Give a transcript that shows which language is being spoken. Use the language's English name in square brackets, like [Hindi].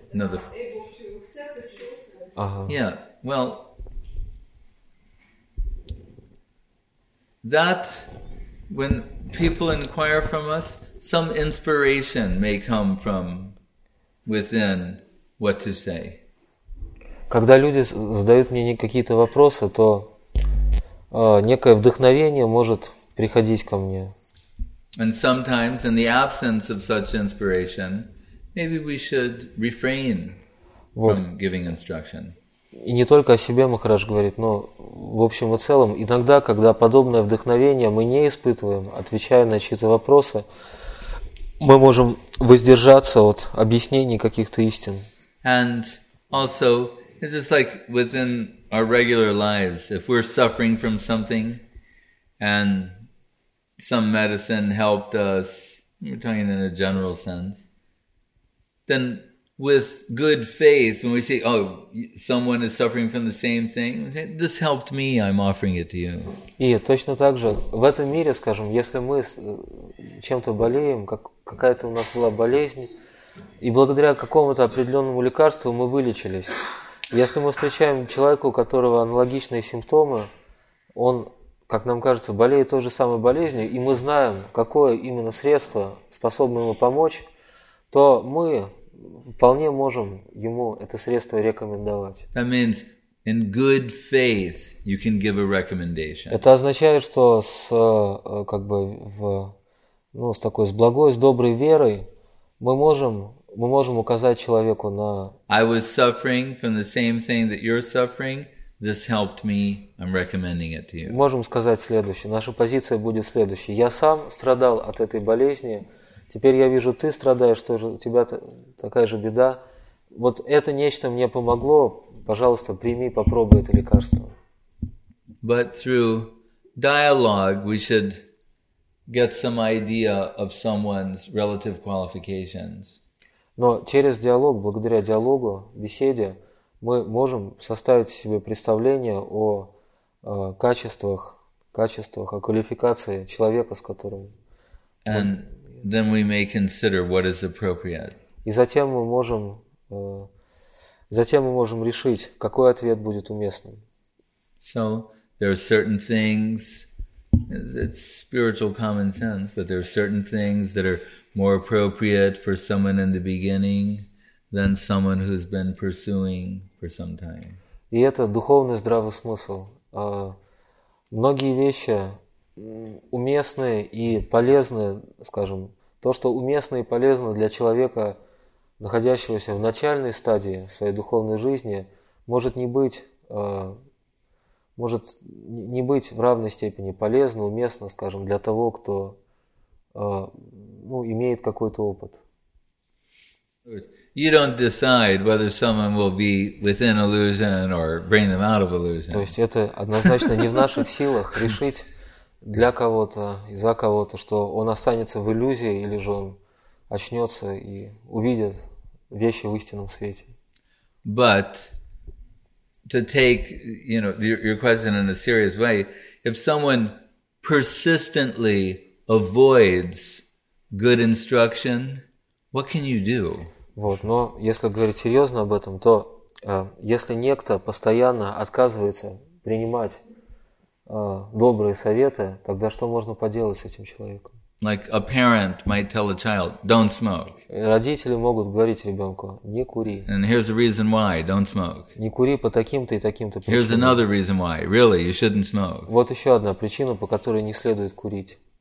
[English] able to accept the truth? Yeah, well, that when people inquire from us, some inspiration may come from within what to say. [Russian] Когда люди задают мне какие-то вопросы, то некое вдохновение может приходить ко мне. [English] And sometimes, in the absence of such inspiration, maybe we should refrain [Russian] вот. [English] From giving instruction. [Russian] И не только о себе Махарадж говорит, но в общем и целом, иногда, когда подобное вдохновение мы не испытываем, отвечая на чьи-то вопросы, мы можем воздержаться от объяснений каких-то истин. [English] And also, it's just like within our regular lives, if we're suffering from something and some medicine helped us, we're talking in a general sense, then with good faith, when we say, oh, someone is suffering from the same thing, we say, this helped me, I'm offering it to you. [Russian] И точно так же в этом мире, скажем, если мы чем-то болеем, как какая-то у нас была болезнь, и благодаря какому-то определенному лекарству мы вылечились. Если мы встречаем человека, у которого аналогичные симптомы, он, как нам кажется, болеет той же самой болезнью, и мы знаем, какое именно средство способно ему помочь, то мы вполне можем ему это средство рекомендовать. [English] That means in good faith you can give a recommendation. [Russian] Это означает, что с, как бы в, ну, с такой, с благой, с доброй верой мы можем... Мы можем указать человеку на. [English] I was suffering from the same thing that you're suffering. This helped me. I'm recommending it to you. [Russian] Можем сказать следующее. Наша позиция будет следующей. Я сам страдал от этой болезни. Теперь я вижу, ты страдаешь, тоже у тебя такая же беда. Вот это нечто мне помогло. Пожалуйста, прими, попробуй это лекарство. [English] But through dialogue, we should get some idea of someone's relative qualifications. [Russian] Но через диалог, благодаря диалогу, беседе, мы можем составить себе представление о качествах, качествах, о квалификации человека, с которым... [English] And then we may consider what is appropriate. [Russian] И затем мы можем решить, какой ответ будет уместным. [English] So, there are certain things, it's spiritual common sense, but there are certain things that are more appropriate for someone in the beginning than someone who's been pursuing for some time. [Russian] И это духовный здравый смысл. Многие вещи уместны и полезны, скажем, то, что уместно и полезно для человека, находящегося в начальной стадии своей духовной жизни, может не быть, может не быть в равной степени полезно, уместно, скажем, для того, кто ну, имеет какой-то опыт. [English] You don't decide whether someone will be within illusion or bring them out of illusion. [Russian] То есть это однозначно не в наших силах решить для кого-то и за кого-то, что он останется в иллюзии или же он очнется и увидит вещи в истинном свете. [English] But to take, you know, your question in a serious way, if someone persistently avoids good instruction, what can you do? [Russian] Вот, но если говорить серьезно об этом, то если некто постоянно отказывается принимать добрые советы, тогда что можно поделать с этим человеком? [English] Like a parent might tell a child, "Don't smoke." [Russian] Родители могут говорить ребенку: не кури. [English] And here's the reason why: don't smoke. [Russian] Не кури по таким-то и таким-то причинам. [English] Here's another reason why: really, you shouldn't smoke. [Russian] Вот еще одна причина, по которой не следует курить.